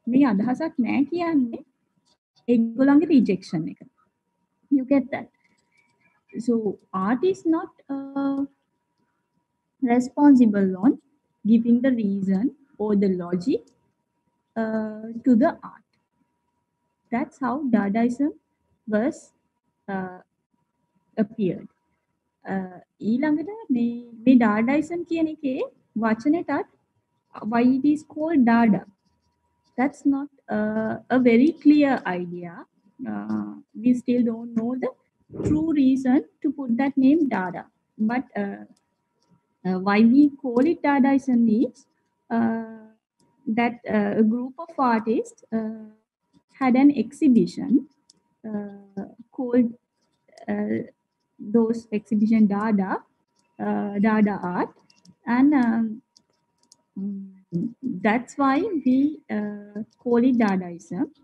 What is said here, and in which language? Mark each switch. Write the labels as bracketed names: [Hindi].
[Sinhala] මේ අදහසක් නැහැ කියන්නේ ඒගොල්ලන්ගේ rejection එක. [English] You get that? So, art is not responsible on giving the reason or the logic to the art. That's how Dadaism was appeared. [Sinhala] ඊළඟට මේ Dadaism කියන එකේ වචනෙටත් [English] why it is called Dada. That's not a very clear idea. We still don't know the true reason to put that name Dada. But why we call it Dadaism is that a group of artists had an exhibition called those exhibition Dada Art, and that's why we call it Dadaism.